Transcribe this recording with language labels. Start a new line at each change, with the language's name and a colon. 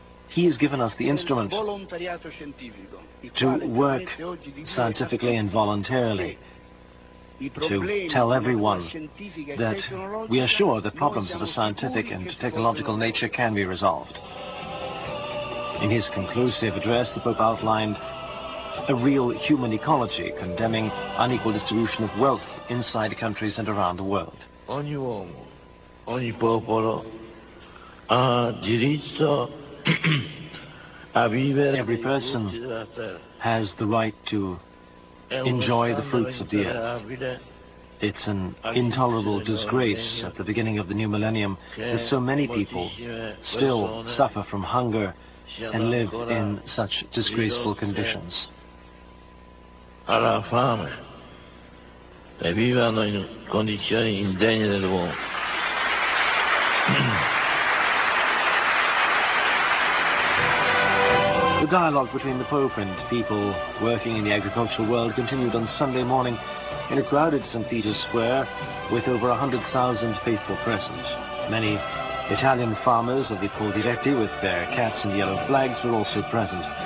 English: He has given us the instrument to work scientifically and voluntarily to tell everyone that we are sure the problems of a scientific and technological nature can be resolved. In his conclusive address, the Pope outlined a real human ecology, condemning unequal distribution of wealth inside countries and around the world.
Italian: Ogni uomo, ogni popolo ha diritto a vivere.
English: Every person has the right to enjoy the fruits of the earth. It's an intolerable disgrace at the beginning of the new millennium that so many people still suffer from hunger and live in such disgraceful conditions.
Italian: Alla fame e vivano in condizioni indegne dell'uomo.
English: The dialogue between the Pope and people working in the agricultural world continued on Sunday morning in a crowded St. Peter's Square with over 100,000 faithful present. Many Italian farmers of the Col Diretti with their cats and yellow flags were also present.